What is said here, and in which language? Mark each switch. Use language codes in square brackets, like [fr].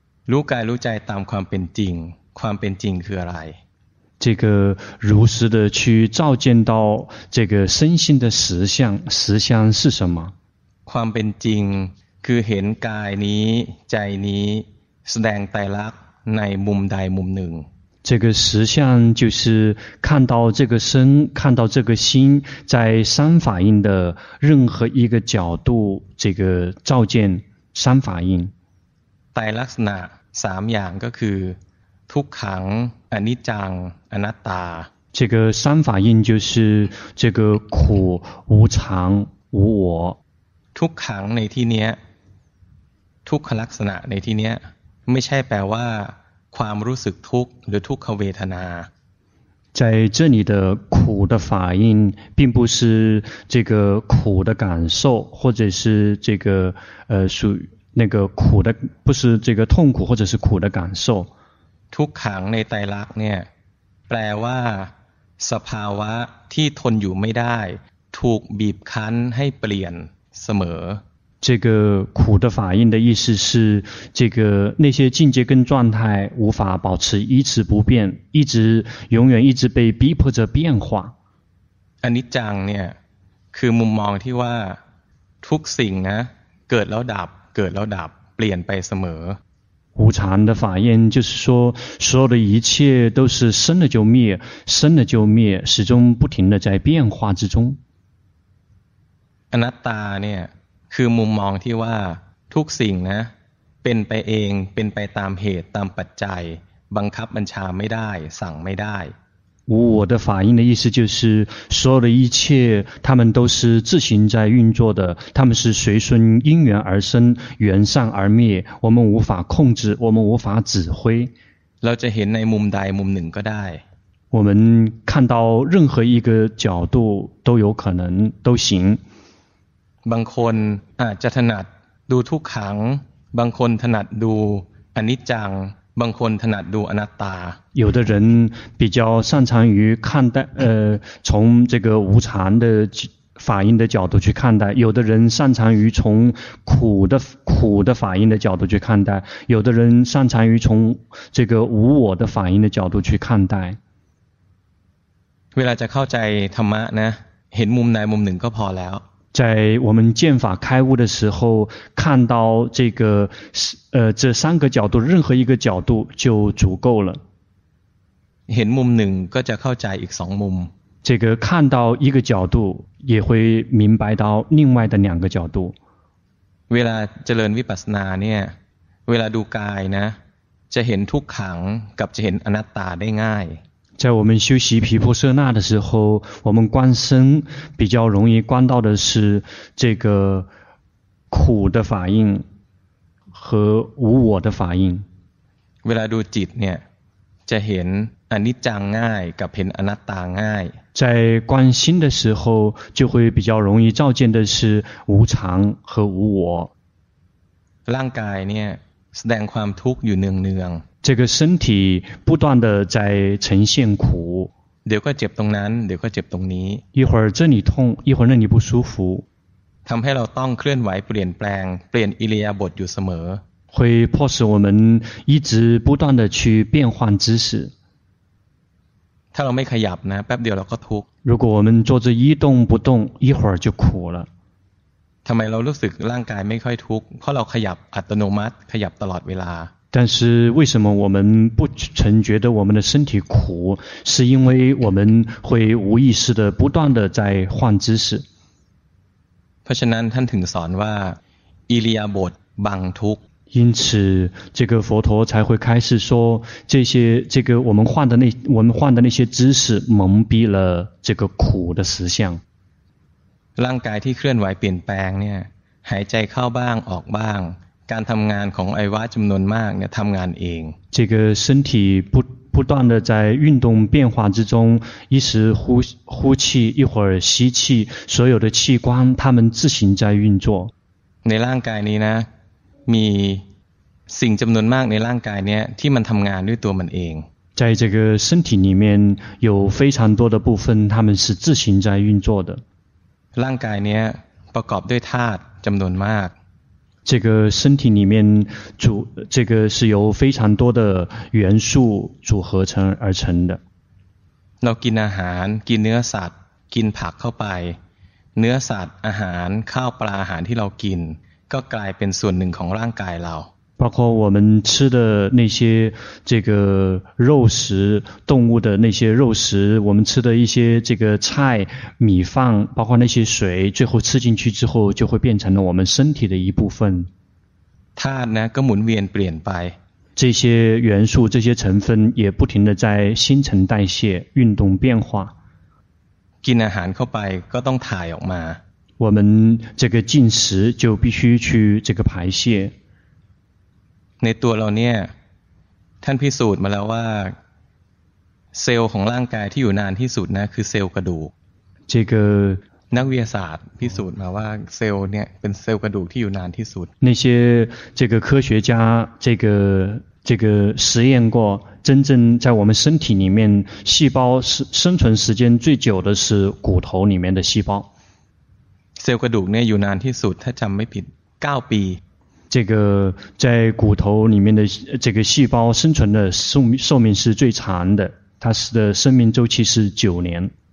[th] รู้กายรู้ใจตามความเป็นจริงความเป็นจริงคืออะไร [zh] 这个如实的去照见到这个身心的实相实相是什么 [th] ความเป็นจริงคือเห็นกายนี้ใจนี้แสดงไตรลักษณ์ในมุมใดมุมหนึ่ง [zh] 这个实相就是看到这个身看到这个心在三法印的任何一个角度这个照见三法印 [th] ไตรลักษณะ3อย่างก็คือทุกขังอนิจจังอนัตตา [zh] 这个三法印就是这个苦无常无我 [th] ทุกขังในที่นี้ทุกขลักษณะในที่นี้ไม่ใช่แปลว่าความรู้สึกทุกข์หรือทุกขเวทนา [zh] 在这里的苦的法印并不是这个苦的感受或者是这个属那个苦的不是这个痛苦或者是苦的感受 [th] ทุกขังในไตรลักษณ์เนี่ยแปลว่าสภาวะที่ทนอยู่ไม่ได้ถูกบีบคั้นให้เปลี่ยนเสม [zh] อ这个苦的法印的意思是这个那些境界跟状态无法保持一直不变一直永远一直被逼迫着变化 [th] อนิจจังเนี่ยคือมุมมองที่ว่าทุกสิ่งนะเกิดแล้วดับเกิดแล้วดับเปลี่ยนไปเสมอ [zh] 无常的法印就是说所有的一切都是生了就灭生了就灭始终不停的在变化之中 [th] อนัตตาเนี่ยคือมุมมองที่ว่าทุกสิ่งนะเป็นไปเองเป็นไปตามเหตุตามปัจจัยบังคับบัญชาไม่ได้สั่งไม่ได้ [zh] 无我的法印的意思就是所有的一切他们都是自行在运作的他们是随顺因缘而生缘散而灭我们无法控制我们无法指挥 [th] เราจะเห็นในมุมใดมุมหนึ่งก็ได้ [zh] 我们看到任何一个角度都有可能都行 [th] บางคนอาจจะถนัดดูทุกขังบางคนถนัดดูอนิจจังบางคนถนัดดูอนัตตา [zh] 有的人比较擅长于看待从这个无常的法印的角度去看待有的人擅长于从苦的法印的角度去看待有的人擅长于从这个无我的法印的角度去看待 [th] เวลาจะเข้าใจธรรมะนะเห็นมุมใดมุมหนึ่งก็พอแล้ว [zh] 在我们见法开悟的时候看到这个这三个角度任何一个角度就足够了 [th] เห็นมุมหนึ่งก็จะเข้าใจอีกสองมุม [zh] 这个看到一个角度也会明白到另外的两个角度 [th] เวลาเจริญวิปัสสนาเนี่ยเวลาดูกายนะจะเห็นทุกขังกับจะเห็นอนัตตาได้ง่าย [zh] 在我们修习毗婆舍那的时候，我们观身比较容易观到的是这个苦的法印和无我的法印。 [th] เวลาดูจิตเนี่ยจะเห็นอนิจจังง่ายกับเห็นอนัตตาง่าย。 [zh] 在观心的时候，就会比较容易照见的是无常和无我。 [th] ร่างกายเนี่ยแสดงความทุกข์อยู่เนืองเนือง。 [zh] 这个身体不断的在呈现苦。 [th] เดี๋ยวก็เจ็บตรงนั้นเดี๋ยวก็เจ็บตรงนี้。 [zh] 一会儿这里痛，一会儿那里不舒服。 [th] ทำให้เราต้องเคลื่อนไหวเปลี่ยนแปลงเปลี่ยนอิริยาบถอยู่เสมอ [zh] 会迫使我们一直不断的去变换姿势 [th] ถ้าเราไม่ขยับนะแป๊บเดียวเราก็ทุกข์ [zh] 如果我们坐着一动不动一会儿就苦了 [th] ทำไมเรารู้สึกร่างกายไม่ค่อยทุกข์เพราะเราขยับอัตโนมัติขยับตลอดเวลา [zh] 但是为什么我们不曾觉得我们的身体苦是因为我们会无意识的不断的在换姿势 [th] เพราะฉะนั้นท่านถึงสอนว่าอิริยาบถบังทุกข์ [zh] 因此这个佛陀才会开始说这些这个我们换的那我们换的那些知识蒙蔽了这个苦的实相 [th] ร่างกายที่เคลื่อนไหวเปลี่ยนแปลงเนี่ยหายใจเข้าบ้างออกบ้างการทำงานของไอวะจำนวนมากเนี่ยทำงานเอง [zh] 这个身体不断的在运动变化之中，一时呼气，一会儿吸气，所有的器官它们自行在运作。 [th] ในร่างกายนี้นะมีสิ่งจำนวนมากในร่างกายนี้ที่มันทำงานด้วยตัวมันเอง。 [zh] 在这个身体里面有非常多的部分，它们是自行在运作的。 [th] ร่างกายนี้ประกอบด้วยธาตุจำนวนมาก。 [zh] 这个身体里面组这个是由非常多的元素组合成而成的。 [th] เรากินอาหารกินเนื้อสัตว์กินผักเข้าไปเนื้อสัตว์อาหารข้าวปลาอาหารที่เรากินก็กลายเป็นส่วนหนึ่งของร่างกายเรา [zh] 包括我们吃的那些这个肉食动物的那些肉食我们吃的一些这个菜米饭包括那些水最后吃进去之后就会变成了我们身体的一部分 [th] ธาตุนะก็หมุนเวียนเปลี่ยนไป [zh] 这些元素这些成分也不停的在新陈代谢运动变化 [th] กินอาหารเข้าไปก็ต้องถ่ายออกมา [zh] 我们这个进食就必须去这个排泄 [th] ในตัวเราเนี่ยท่านพิสูจน์มาแล้วว่าเซลล์ของร่างกายที่อยู่นานที่สุดนะคือเซลล์กระดูก [zh] 这个 [th] นักวิทยาศาสตร์พิสูจน์มาว่าเซลล์เนี่ยเป็นเซลล์กระดูกที่อยู่นานที่สุด [zh] 那些这个科学家这个实验过真正在我们身体里面细胞生存时间最久的是骨头里面的细胞 [th] เซลล์กระดูกเนี่ยอยู่นานที่สุดถ้าจำไม่ผิด9ปี [zh] 这个在骨头里面的这个细胞生存的寿命是最长的，它的生命周期是九年。